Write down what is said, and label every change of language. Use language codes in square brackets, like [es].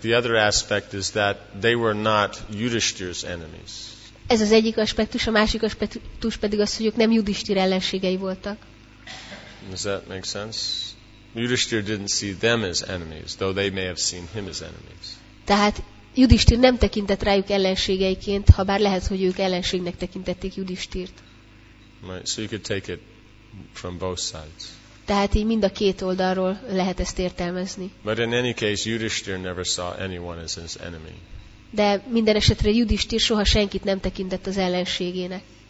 [en] The other aspect is that they were not Yudhishthir's enemies. [hu] Ez az egyik aspektus, a másik aspektus pedig az, hogy ők nem Yudhishthir ellenségei voltak. [en] Does that make sense? Yudhishthir didn't see them as enemies, though they may have seen him as enemies. [hu] Tehát Yudhishthir nem tekintett rájuk ellenségeiként, ha bár lehet, hogy ők ellenségnek tekintették Yudhishthirt. [en] Right. So you could take it from both sides. [hu] Tehát így mind a két oldalról lehet ezt értelmezni. [en] But in any case, Yudhishthir never saw anyone as his enemy. [hu] De minden esetre Yudhishthir soha senkit nem tekintett az ellenségének.